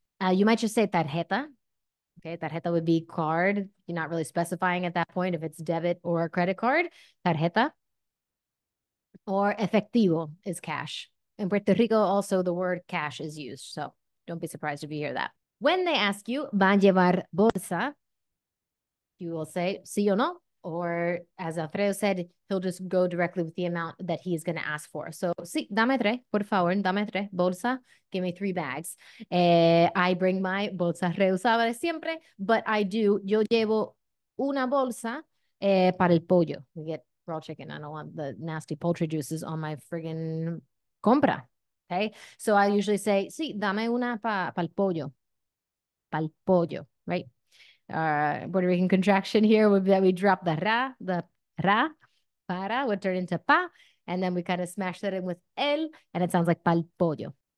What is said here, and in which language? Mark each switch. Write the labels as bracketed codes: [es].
[en] You might just say tarjeta. Okay, tarjeta would be card. You're not really specifying at that point if it's debit or a credit card. Tarjeta. Or efectivo is cash. In Puerto Rico, also the word cash is used. So don't be surprised if you hear that. When they ask you, [es] ¿va a llevar bolsa? [en] You will say, sí o no. Or as Alfredo said, he'll just go directly with the amount that he's going to ask for. [es] So sí, dame tres, por favor, dame tres, bolsa. [en] Give me three bags. I bring my bolsa reusable siempre, but I do. [es] Yo llevo una bolsa para el pollo. [en] We get raw chicken. I don't want the nasty poultry juices on my friggin' compra. Okay. So I usually say, [es] sí, dame una pa'l pollo. Pa'l pollo, right? [en] Puerto Rican contraction here would be that we drop the ra, para would turn into pa, and then we kind of smash that in with el, and it sounds like [es] pa'l pollo.